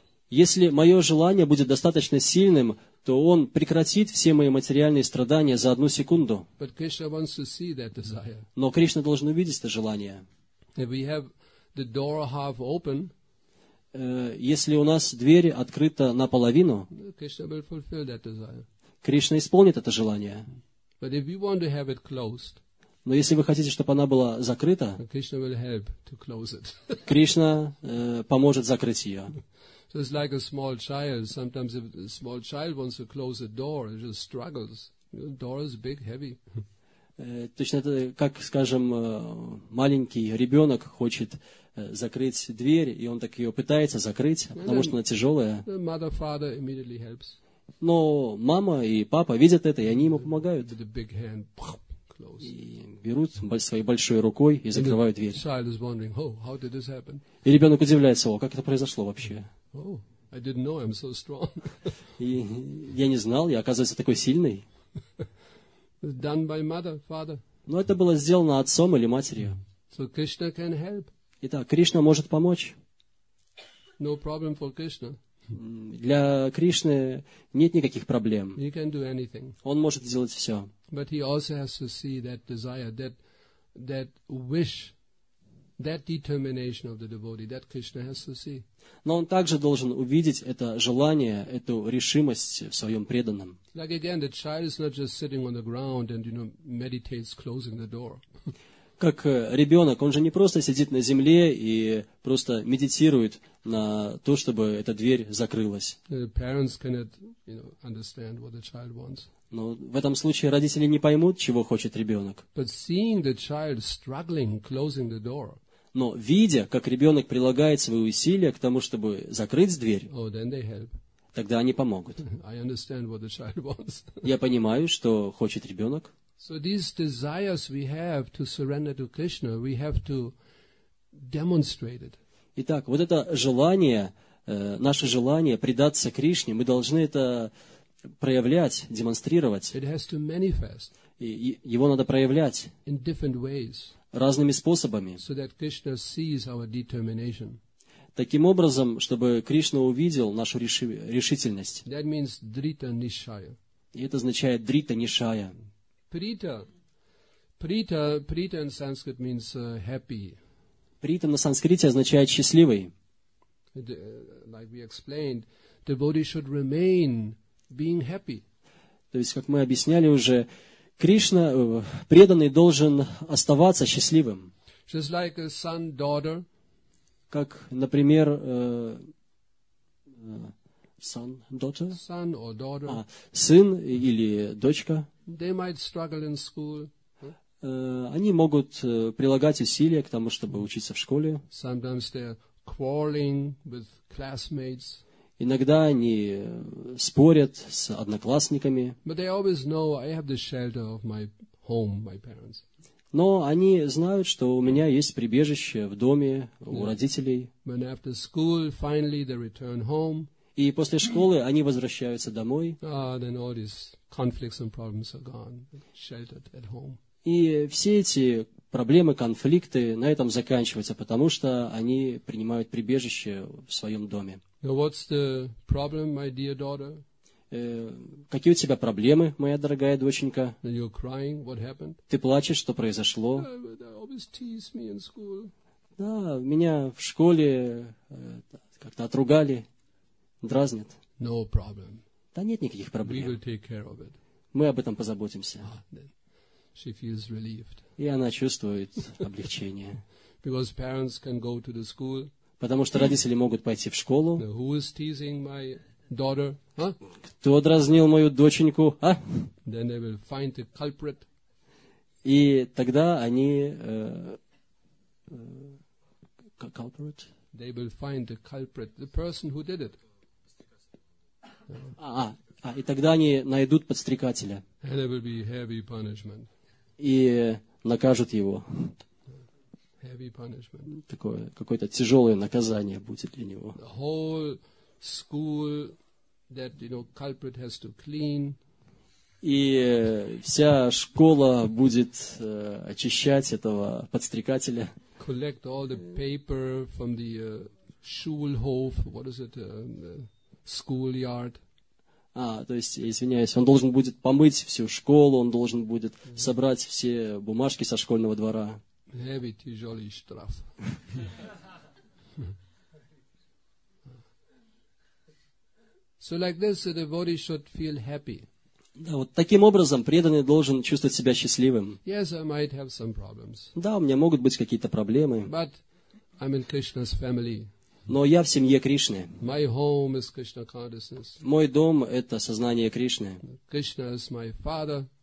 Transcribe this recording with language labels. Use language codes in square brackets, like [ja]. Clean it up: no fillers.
[ru] Если мое желание будет достаточно сильным, то он прекратит все мои материальные страдания за одну секунду. [en] But Krishna wants to see that desire. [ru] Но Кришна должен увидеть это желание. [en] If we have the door half open, [ru] если у нас дверь открыта наполовину, [en] Krishna will fulfill that desire. [ru] Кришна исполнит это желание. [en] But if you want to have it closed, [ru] но если вы хотите, чтобы она была закрыта, [en] Krishna will help to close it. [ru] Кришна поможет закрыть ее. [en] So it's like a small child. Sometimes if a small child wants to close a door, it just struggles. The door is big, heavy. [ru] Точно это, как, скажем, маленький ребенок хочет закрыть дверь, и он так ее пытается закрыть, потому что она тяжелая. [en] The mother, father immediately helps. [ru] Но мама и папа видят это, и они ему помогают. [en] With a big hand, close. [ru] И берут своей большой рукой и закрывают дверь. [en] The child is wondering, oh, how did this happen? [ru] И ребенок удивляется, о, как это произошло вообще? [en] Oh, I didn't know I'm so strong. [ru] И я не знал, я, оказывается, такой сильный. [en] Done by mother, father. [ru] Но это было сделано отцом или матерью. [en] So Krishna can help. [ru] Итак, Кришна может помочь. [en] No problem for Krishna. [ru] Для Кришны нет никаких проблем. [en] He can do anything. [ru] Он может сделать все. [en] But he also has to see that desire, that wish, that determination of the devotee, that Krishna has to see. [ru] Но он также должен увидеть это желание, эту решимость в своем преданном. [en] Like again, the child is not just sitting on the ground and, you know, meditates closing the door. [ru] Как ребенок, он же не просто сидит на земле и просто медитирует на то, чтобы эта дверь закрылась. [en] The parents cannot, you know, understand what the child wants. [ru] Но в этом случае родители не поймут, чего хочет ребенок. [en] But seeing the child struggling, closing the door, [ru] но видя, как ребенок прилагает свои усилия к тому, чтобы закрыть дверь, [en] oh, then they help. [ru] Тогда они помогут. [en] I understand what the child wants. [ru] Я понимаю, что хочет ребенок. [en] So these desires we have to surrender to Krishna, we have to demonstrate it. [ru] Итак, вот это желание, наше желание предаться Кришне, мы должны это проявлять, демонстрировать. [en] It has to manifest. [ru] И его надо проявлять. [en] In different ways. [ru] Разными способами. [en] So that Krishna sees our determination. [ru] Таким образом, чтобы Кришна увидел нашу решительность. [en] That means drita nishaya. [ru] И это означает drita nishaya. [en] Prita in Sanskrit means happy. [ru] Prita на санскрите означает счастливый. [en] Like we explained, devotee should remain being happy. [ru] То есть, как мы объясняли уже, Кришна, преданный, должен оставаться счастливым. [en] Just like a son, daughter. [ru] Как, например, [en] son, daughter? Son or daughter. [ru] А, сын или дочка. [en] They might struggle in school. [ru] Они могут прилагать усилия к тому, чтобы учиться в школе. [en] Sometimes they're quarreling with classmates. [ru] Иногда они спорят с одноклассниками. [en] But they always know I have the shelter of my home, my parents. [ru] Но они знают, что у меня есть прибежище в доме у родителей. [en] When after school, finally they return home. [ru] И после школы они возвращаются домой. [en] Then all these conflicts and problems are gone, sheltered at home. [ru] И все эти проблемы, конфликты на этом заканчиваются, потому что они принимают прибежище в своем доме. [en] Now what's the problem, my dear daughter? [ru] Какие у тебя проблемы, моя дорогая доченька? [en] You're crying. What happened? [ru] Ты плачешь, что произошло? [en] They always tease me in school. [ru] Да, меня в школе как-то отругали. Дразнит. [en] No problem. [ru] Да нет никаких проблем. [en] We will take care of it. [ru] Мы об этом позаботимся. [en] She feels relieved. [ru] И она чувствует облегчение. [en] Because parents can go to the school. [ru] Потому что родители могут пойти в школу. [en] Now, who is teasing my daughter? Huh? [ru] Кто дразнил мою доченьку? А? [en] Then they will find the culprit. [ru] И тогда они... [en] culprit? They will find the culprit, the person who did it. [ru] И тогда они найдут подстрекателя. [en] And it will be heavy punishment. [ru] И накажут его. [en] Heavy punishment. [ru] Такое, какое-то тяжелое наказание будет для него. [en] The whole school that, you know, culprit has to clean. [ru] И вся школа будет очищать этого подстрекателя. [en] Collect all the paper from the Schulhof. What is it? Schoolyard. [ru] То есть, извиняюсь, он должен будет помыть всю школу, он должен будет собрать все бумажки со школьного двора. Heavy, тяжелый штраф. [en] So like this, the body should feel happy. [ru] Да, вот таким образом преданный должен чувствовать себя счастливым. [en] Yes, I might have some problems. [ru] Да, у меня могут быть какие-то проблемы. [en] But I'm in Krishna's family. [ru] Но я в семье Кришны. [en] My home is Krishna consciousness. [ru] Мой дом – это сознание Кришны. [en] Krishna is my father.